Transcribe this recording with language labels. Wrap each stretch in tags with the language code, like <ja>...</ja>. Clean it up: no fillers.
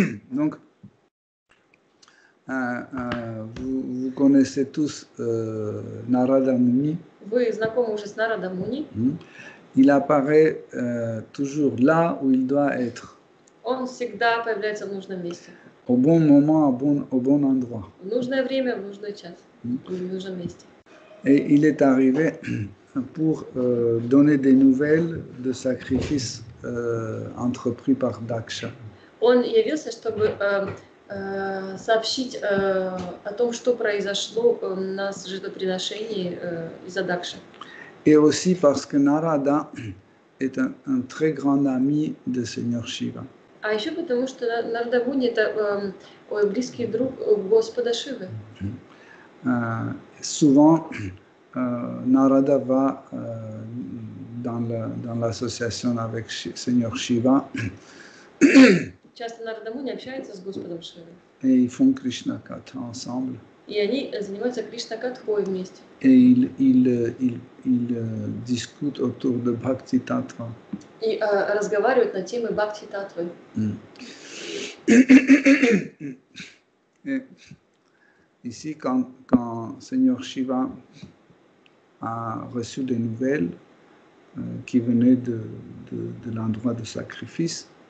<fr>Donc, vous connaissez tous Narada Muni.</fr> <ru>Вы знакомы уже с Нарада Муни?</ru> <fr>Il apparaît toujours là où il doit être.</fr> <ru>Он всегда появляется в нужном месте.</ru> <fr>Au bon moment, au bon endroit.</fr> <ru>В нужное время, в нужный час, в нужном месте.</ru> <fr>Et il est arrivé pour donner des nouvelles de sacrifices entrepris par Daksha.</fr> <ru>Он явился, чтобы сообщить о том, что произошло на жертвоприношении из-за Дакши.</ru> <fr>Et aussi parce que Narada est un très grand ami de Seigneur Shiva.</fr> <ru>А еще потому, что Нарада Муни это близкий друг Господа Шивы.</ru> <fr>Souvent, Narada va dans l'association avec Seigneur Shiva.</fr> <ru>Часто Нарада Муни общается с Господом Шивой.</ru> <fr>Et ils font Krishna Katha ensemble.</fr> <ru>И они занимаются Кришна Катхой вместе.</ru> <fr>Et il discute autour de Bhakti Tattva.</fr> <ru>И разговаривают на темы Бхакти Таттвы.</ru> <fr>Ici, quand Seigneur Shiva a reçu des nouvelles, qui venaient de l'endroit de sacrifice.</fr>